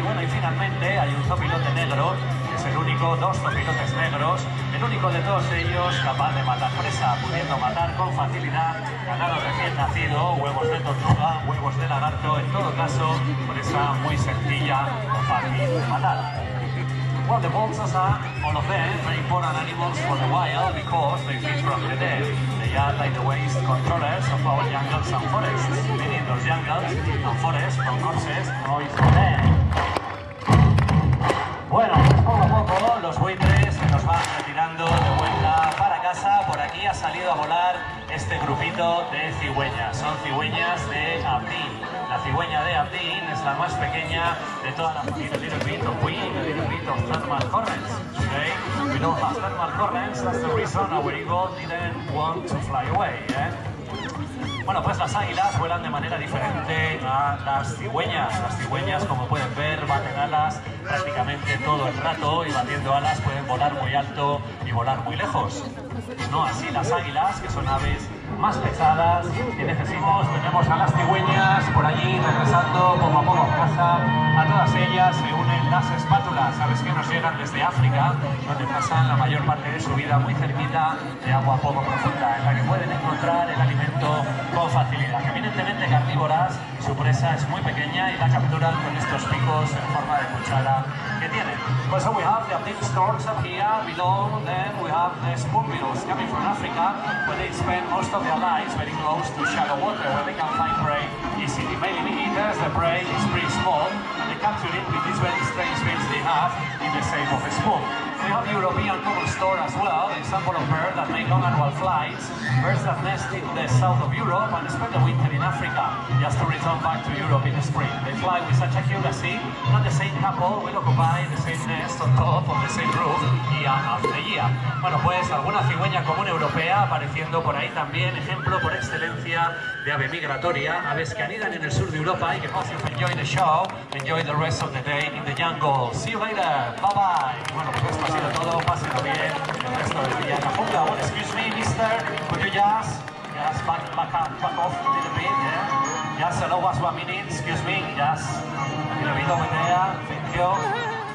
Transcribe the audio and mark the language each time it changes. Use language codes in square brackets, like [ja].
[es] Bueno, y finalmente hay un zopilote negro, es el único, dos zopilotes negros, el único de todos ellos capaz de matar presa, pudiendo matar con facilidad ganado recién nacido, huevos de tortuga, huevos de lagarto, en todo caso, por esa muy sencilla o fácil de matar. [en] Well, the vultures are, all of them, very important animals for the wild because they feed from the dead. They are like the waste controllers of our jungles and forests, meaning those jungles and forests from corpses always from them. [es] Bueno, pues poco a poco los buitres se nos van retirando de vuelta para casa. Por aquí ha salido a volar este grupito de cigüeñas. Son cigüeñas de Abdín. La cigüeña de Abdín es la más pequeña de toda la familia. [en] Little bit of wing, a little bit of thermal currents. Okay? We don't have thermal currents, that's the reason our eagle didn't want to fly away. [es] Bueno, pues las águilas vuelan de manera diferente a las cigüeñas. Las cigüeñas, como pueden ver, baten alas prácticamente todo el rato y batiendo alas pueden volar muy alto y volar muy lejos. No así las águilas, que son aves más pesadas que necesitamos. Tenemos a las cigüeñas por allí regresando poco a poco a casa. A todas ellas se unen las espátulas, aves que nos llegan desde África, donde pasan la mayor parte de su vida muy cerquita de agua poco profunda, en la que pueden encontrar el alimento con facilidad. Evidentemente carnívoras, su presa es muy pequeña y la capturan con estos picos en forma de cuchara que tienen. [en] Well, so we have the Abdin storks up here, below them we have the spoonbills coming from Africa, where they spend most of their lives very close to shallow water, where they can find prey easily. Mainly eaters, the prey is pretty small, and they capture it with these very strange bills they have in the shape of a spoon. We have European common stork as well, an example of birds that make long annual flights, birds that nest in the south of Europe and spend the winter in Africa, just to return back to Europe in the spring. They fly with such accuracy that the same couple will occupy the same nest on top of the same roof year after year. [es] Bueno, pues alguna cigüeña común europea apareciendo por ahí también, ejemplo por excelencia de ave migratoria, aves que anidan en el sur de Europa y que pasen. [en] Enjoy the show, enjoy the rest of the day in the jungle. See you later, bye bye. [es] Bueno, pues esto ha sido todo, pásenlo bien el resto del día en la jungla. [en] Excuse me. Mister, could you just back off a little bit, yeah? Just allow us 1 minute, excuse me, just a little bit over there, thank you.